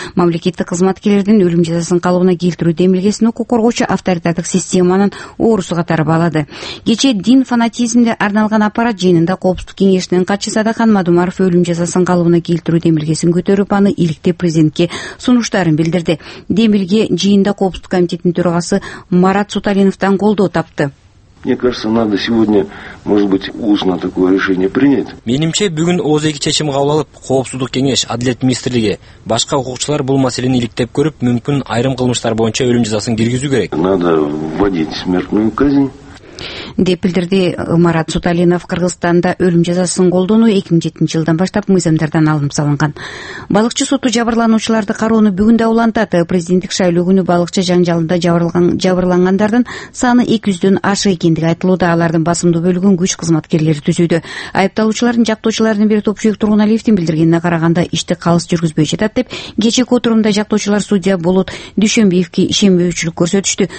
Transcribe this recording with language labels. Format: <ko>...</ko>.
<ky>Мамлекеттик кызматкерлердин өлүм жазасын калыбына келтирүү демилгесин укук коргоочу авторитардык системанын оорусу катары баалады. Кечээ дин фанатизмге арналган аппарат жыйынында коопсуздук кеңешинин катчысы Адахан Мадумаров өлүм жазасын калыбына келтирүү демилгесин көтөрүп, аны иликтеп президентке сунуштарын билдирди. Демилге жыйында коопсуздук комитетинин төрагасы Марат Суталиновдан колдоо тапты.</ky> <ru>Мне кажется, надо сегодня, может быть, устно такое решение принять.</ru> <ky>Менимче бүгүн ооз эки чечим кабыл алып, коопсуздук кеңеш, адилет министрлиги, башка укукчулар бул маселени иликтеп көрүп, мүмкүн айрым кылмыштар боюнча өлүм жазасын киргизүү керек.</ky> <ru>Надо вводить смертную казнь.</ru> <ky>Деп билдирди Марат Суталинов. Кыргызстанда өлүм жазасын колдонуу 2007 жылдан баштап мыйзамдардан алынып салынган. Балыкчы соту жабырлануучуларды кароону бүгүн да улантат. Президенттик шайлоо күнү балыкчы жаңжалында жабырлангандардын саны 200 ашы экендиги айтылууда. Алардын басымдуу бөлүгүн күч кызматкерлери түзүүдө. Айыпталуучулардын жактоочуларынын бири топ жүрөк Турганалиевдин билдиргенине караганда ишти калыс жүргүзбөй жатат деп, кечээки отурумда жактоочулар судья Болот Дүйшөнбеевке ишенбөөчүлүк көрсөтүштү.</ky>